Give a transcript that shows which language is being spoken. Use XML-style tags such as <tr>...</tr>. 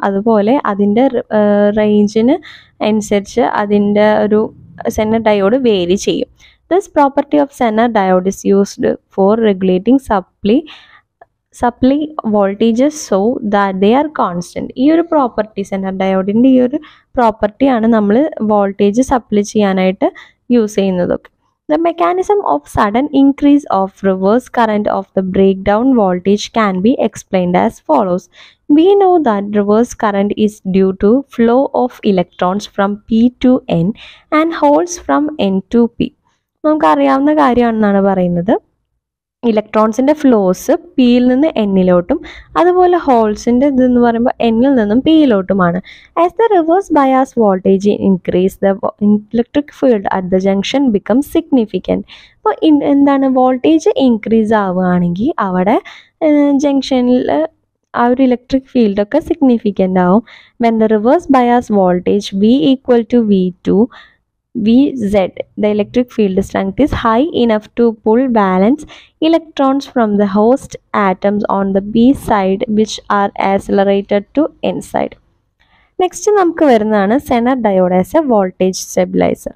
<ml>അതുപോലെ അതിൻ്റെ റേഞ്ചിന് അനുസരിച്ച് അതിൻ്റെ ഒരു സെനർ ഡയോഡ് വേരി ചെയ്യും.</ml> <en>This property of Zener diode is used for regulating supply voltages so that they are constant.</en> <ml>ഈ ഒരു പ്രോപ്പർട്ടി സെനർ ഡയോഡിൻ്റെ ഈ ഒരു പ്രോപ്പർട്ടിയാണ് നമ്മൾ വോൾട്ടേജ് സപ്ലൈ ചെയ്യാനായിട്ട് യൂസ് ചെയ്യുന്നതൊക്കെ.</ml> <en>The mechanism of sudden increase of reverse current of the breakdown voltage can be explained as follows. We know that reverse current is due to flow of electrons from P to N and holes from N to P.</en> <ml>നമുക്ക് അറിയാവുന്ന കാര്യമാണെന്നാണ് പറയുന്നത്. ഇലക്ട്രോൺസിൻ്റെ flows പിയിൽ നിന്ന് എന്നിലോട്ടും അതുപോലെ ഹോൾസിൻ്റെ ഇതെന്ന് പറയുമ്പോൾ എന്നിൽ നിന്നും പിയിലോട്ടുമാണ്.</ml> <en>As the reverse bias voltage increase the electric field at the junction become significant.</en> <ml>അപ്പോൾ എന്താണ് വോൾട്ടേജ് ഇൻക്രീസ് ആവുകയാണെങ്കിൽ അവിടെ ജംഗ്ഷനിൽ ആ ഒരു ഇലക്ട്രിക് ഫീൽഡൊക്കെ സിഗ്നിഫിക്കൻ്റ് ആവും.</ml> <en>When the reverse bias voltage V equal to V to VZ, the electric field strength is high enough to pull balance electrons from the host atoms on the B side which are accelerated to N side.</en> <ml>Next നമുക്ക് വരുന്നതാണ് Zener diode</ml> <en>As a voltage stabiliser.</en>